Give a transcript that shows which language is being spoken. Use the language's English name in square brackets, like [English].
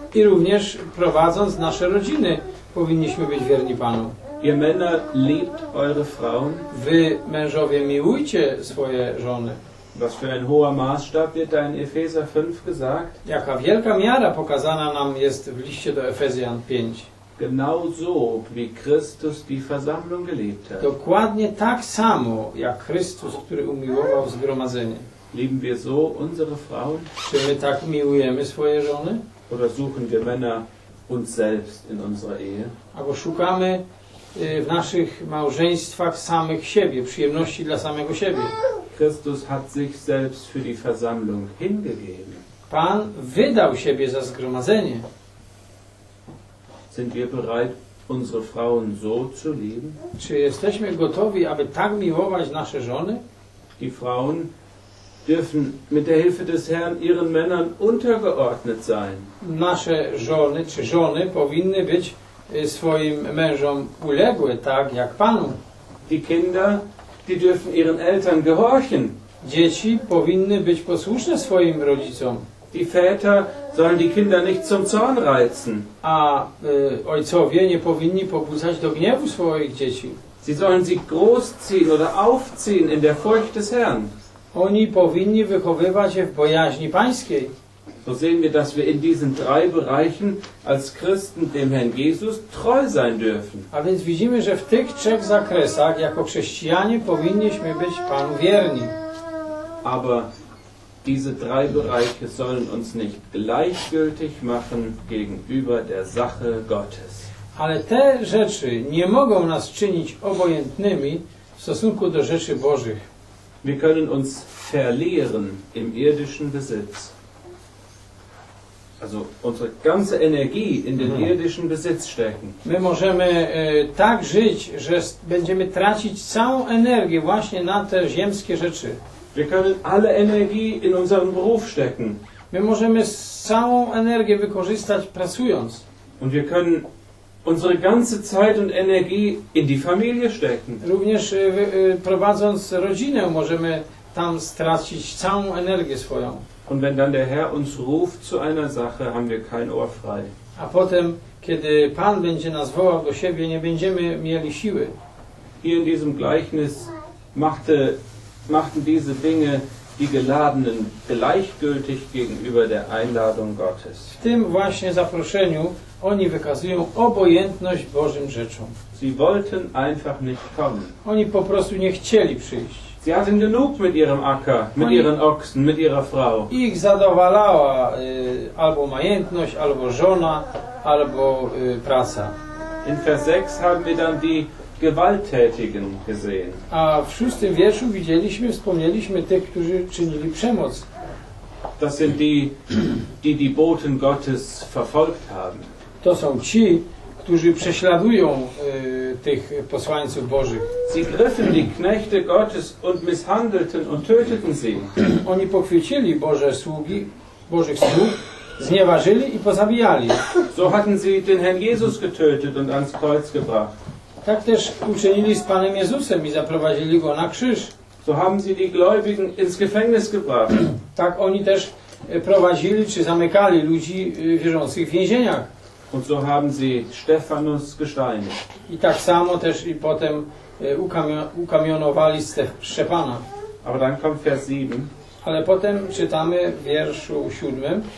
[Polish] I również prowadząc nasze rodziny powinniśmy być wierni Panu. [German] Ihr Männer liebt eure Frauen. [Polish] Wy mężowie miłujcie swoje żony. [German] Was für ein hoher Maßstab wird da in Epheser 5 gesagt? [Polish] Jaka wielka miara pokazana nam jest w liście do Efezjan 5. [German] Genau so, wie Christus die Versammlung gelebt hat. [Polish] Dokładnie tak samo, jak Chrystus, który umiłował zgromadzenie. [German] Lieben wir so unsere Frauen? [Polish] Czy my tak miłujemy swoje żony? [German] Oder suchen wir Männer uns selbst in unserer Ehe? [Polish] Albo szukamy w naszych małżeństwach samych siebie, przyjemności dla samego siebie. [German] Christus hat sich selbst für die Versammlung hingegeben. [Polish] Pan wydał siebie za zgromadzenie. [German] Sind wir bereit, unsere Frauen so zu lieben? [Polish] Czy jesteśmy gotowi, aby tak miłować nasze żony? [German] Die Frauen dürfen mit der Hilfe des Herrn ihren Männern untergeordnet sein. [Polish] Nasze żony czy żony powinny być swoim mężom uległe, tak jak Panu. [German] Die Kinder, die dürfen ihren Eltern gehorchen. [Polish] Dzieci powinny być posłuszne swoim rodzicom. [German] Die Väter sollen die Kinder nicht zum Zorn reizen. [Polish] A ojcowie nie powinni pobudzać do gniewu swoich dzieci. [German] Sie sollen sie großziehen oder aufziehen in der Furcht des Herrn. [Polish] Oni powinni wychowywać je w bojaźni Pańskiej. [German] So sehen wir, dass wir in diesen drei Bereichen als Christen dem Herrn Jesus treu sein dürfen. [Polish] A więc widzimy, że w tych trzech zakresach jako chrześcijanie powinniśmy być Panu wierni. [German] Aber diese drei Bereiche sollen uns nicht gleichgültig machen gegenüber der Sache Gottes. [Polish] Ale te rzeczy nie mogą nas czynić obojętnymi w stosunku do rzeczy Bożych. [German] Wir können uns verlieren im irdischen Besitz. Also unsere ganze Energie in den irdischen Besitz stecken. [Polish] My możemy tak żyć, że będziemy tracić całą energię właśnie na te ziemskie rzeczy. [German] Wir können alle Energie in unseren Beruf stecken. [Polish] My możemy całą energię wykorzystać pracując. [German] Und wir können unsere ganze Zeit und Energie in die Familie stecken. [Polish] Również prowadząc rodzinę możemy tam stracić całą energię swoją. [German] Und wenn dann der Herr uns ruft zu einer Sache, haben wir kein Ohr frei. [Polish] A potem, kiedy Pan będzie nas wołał do siebie, nie będziemy mieli siły. [German] Hier in diesem Gleichnis machten diese Dinge die Geladenen gleichgültig gegenüber der Einladung Gottes. [Polish] W tym właśnie zaproszeniu oni wykazują obojętność Bożym rzeczom. [German] Sie wollten einfach nicht kommen. [Polish] Oni po prostu nie chcieli przyjść. [German] Sie hatten genug mit ihrem Acker, mit ihren Ochsen, mit ihrer Frau. [Polish] Ich zadowalała albo majętność, albo żona, albo praca. [German] In Vers 6 haben wir dann die Gewalttätigen gesehen. [Polish] A w szóstym wierszu widzieliśmy, wspomnieliśmy tych, którzy czynili przemoc. [German] Das sind die, die die Boten Gottes verfolgt haben. [Polish] To są ci, którzy prześladują tych posłańców Bożych. [German] Sie griffen die Knechte Gottes und misshandelten und töteten sie. [Polish] Oni pochwycili Boże sługi, Bożych sług, znieważyli i pozabijali. [German] So hatten sie den Herrn Jesus getötet und ans Kreuz gebracht. [Polish] Tak też uczynili z Panem Jezusem i zaprowadzili go na krzyż. [German] So haben sie die Gläubigen ins Gefängnis gebracht. [Polish] Tak oni też prowadzili czy zamykali ludzi wierzących w więzieniach. [German] Und so haben sie Stephanus gesteinigt. [Polish] I tak samo też i potem ukamionowali Szczepana. [German] Aber dann kommt Vers 7. [Polish] Ale potem czytamy w wierszu 7.